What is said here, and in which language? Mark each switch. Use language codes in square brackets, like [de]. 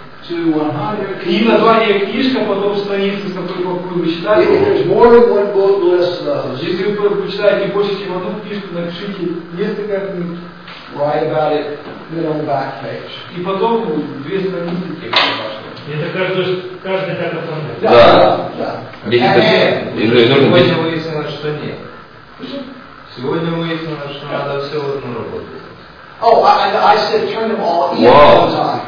[ru] Книга, название книжка, потом страница, с которой попробую прочитать. [en] If there's more than one book, list those. [ru] Если вы прочитаете больше, чем одну книжку, напишите несколько книг. [en] Write about it, then on the back page. [ru] И потом две страницы текста вашего. Это каждый так оформляет. Да, да. Да. Сегодня выяснилось, что нет. Сегодня выяснилось, что надо все в одну работу. [en] Oh, I said turn them all in at one time.